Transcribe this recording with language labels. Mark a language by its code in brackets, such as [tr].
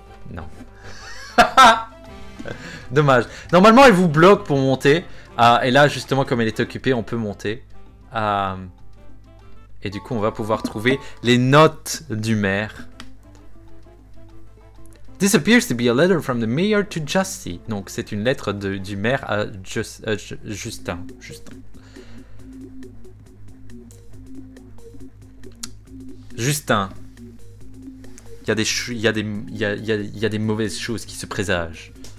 [fr] Non. Dommage. Normalement, elle vous bloque pour monter. Et là, justement, comme elle est occupée, on peut monter. Et du coup, on va pouvoir trouver les notes du maire. [en] This appears to be a letter from the mayor to Justy. [fr] Donc, c'est une lettre du maire à Justin. Justin. Il y a des mauvaises choses qui se présagent.